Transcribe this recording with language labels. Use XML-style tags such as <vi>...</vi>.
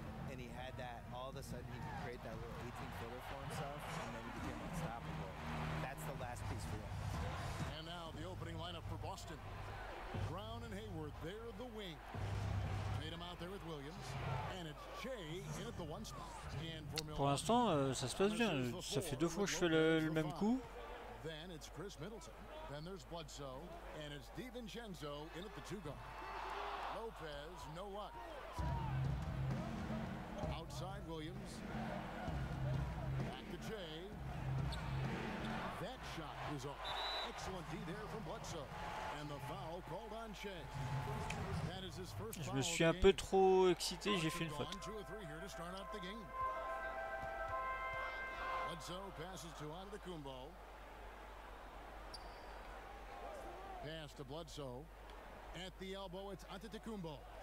<en>And he had that, all of a sudden he could create that little 18-footer for himself, and then he became unstoppable. That's the last piece for him. And now the opening lineup for Boston. Brown and Hayward, they're the wing. Tatum out there with Williams. And it's Jay in at the one spot.</en> <fr>Pour l'instant, ça se passe bien. Ça fait deux fois que je fais le même coup.</fr> <en>Then it's Chris Middleton. Then there's Bledsoe. And it's DiVincenzo in at the two guard. Lopez, no luck. Outside Williams. Back to Jay. That shot is off. Excellent D there from Bledsoe. And the foul called on Shay. That is his first</en> <fr>Je me suis un peu trop excité, j'ai fait une faute.</fr> <en>Two or three here to start out the game. Bledsoe passes to Antetokounmpo. Pass to Bledsoe. At the elbow, it's Antetokounmpo.</en>